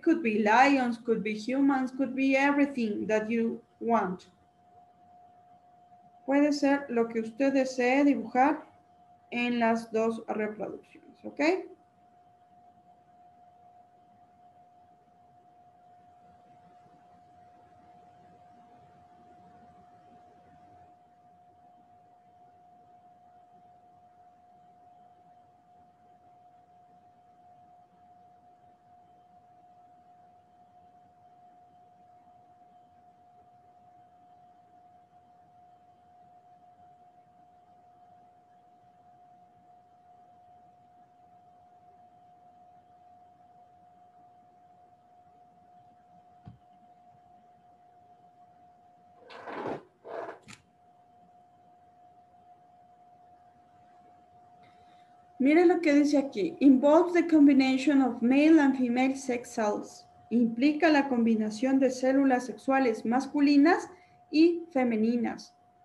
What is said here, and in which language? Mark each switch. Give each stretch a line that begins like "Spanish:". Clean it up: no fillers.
English: Could be lions, could be humans, could be everything that you want.
Spanish: Puede ser lo que usted desee dibujar en las dos reproducciones, ¿ok? Miren lo que dice aquí.
English: Involves the combination of male and female sex cells.
Spanish: Implica la combinación de células sexuales masculinas y femeninas.